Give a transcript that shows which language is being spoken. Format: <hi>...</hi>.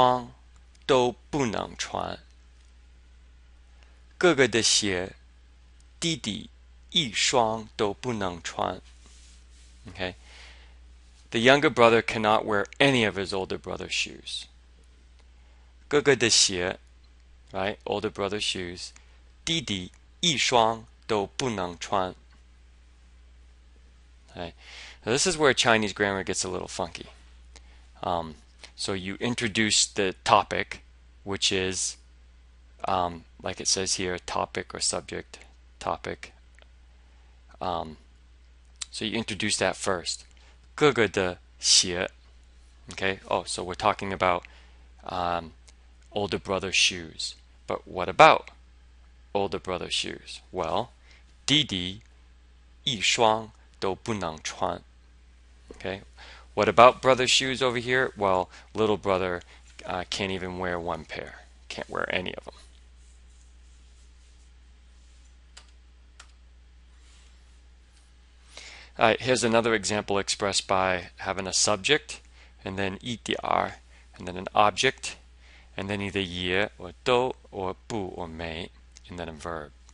<zh>哥哥的鞋弟弟一双都不能穿.哥哥的鞋弟弟一双都不能穿.</zh> <en>Okay. The younger brother cannot wear any of his older brother's shoes.</en> <zh>哥哥的鞋,</zh> <en>right? Older brother's shoes.</en> <zh>弟弟一双都不能穿.</zh> <en>Right. Now this is where Chinese grammar gets a little funky. So you introduce the topic, which is, like it says here, topic or subject, topic. So you introduce that first.</en> <zh>哥哥的鞋.Okay.</zh> <en>Oh, so we're talking about older brother's shoes. But what about older brother's shoes?</en> <zh>Well, 弟弟一双都不能穿.</zh> <en>Okay, what about brother's shoes over here? Well, little brother can't even wear one pair, can't wear any of them. All right, here's another example expressed by having a subject and then 一点, and then an object, and then either 也 or 都 or 不 or 没, and then a verb.</en>